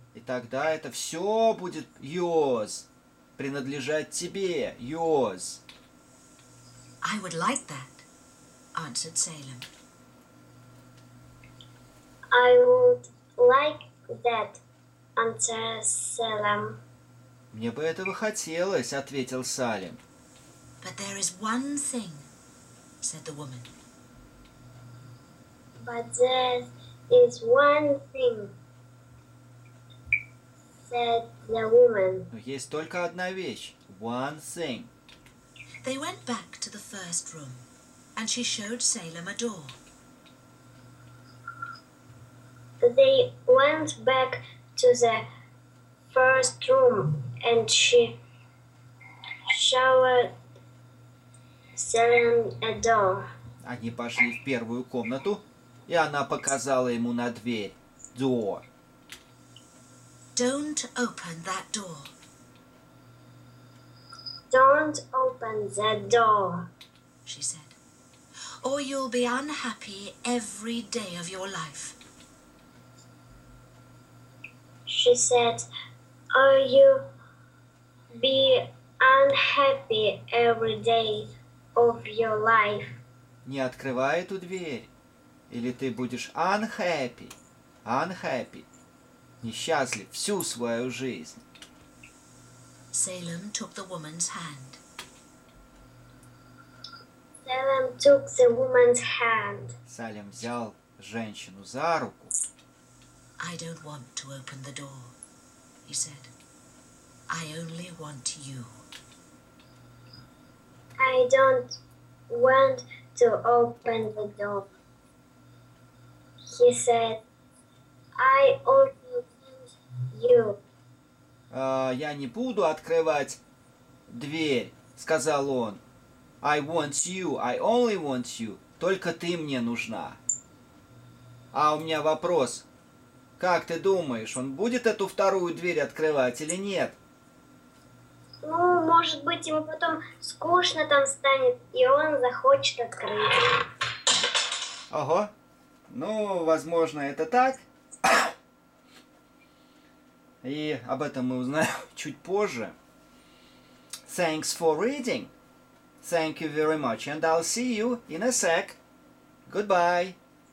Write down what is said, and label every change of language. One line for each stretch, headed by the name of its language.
Russian: И тогда это все будет yours. Принадлежать тебе, yours.
English: I would like that, answered Salem. I would like that, answered Salem.
Russian: Мне бы этого хотелось, ответил Салем.
English: But there is one thing, said the woman. But there is one thing, said the woman.
Russian: Но есть только одна вещь.
English: One thing. They went back to the first room, and she showed Salem a door. They went back to the first room, and she showed Salem a door.
Russian: Они пошли в первую комнату, и она показала ему на дверь.
English: Door. Don't open that door. Don't open that door, she said. Or you'll be unhappy every day of your life. She said, or you'll be unhappy every day of your life.
Russian: не открывай эту дверь, или ты будешь
English: unhappy, unhappy,
Russian: несчастлив всю свою жизнь.
English: Salem took the woman's hand. Salem took the woman's hand.
Russian: Салем взял женщину за руку.
English: I don't want to open the door, he said. I only want you. I don't want to open the door, he said. I only want you.
Russian: Я не буду открывать дверь, сказал он.
English: I want you, I only want you.
Russian: Только ты мне нужна. А у меня вопрос. Как ты думаешь, он будет эту вторую дверь открывать или нет? Ну, может быть, ему потом скучно там станет, и он захочет открыть. Ого. Ну, возможно, это так. И об этом мы узнаем чуть позже.
English: Thanks for reading. Thank you very much, and I'll see you in a sec. Goodbye.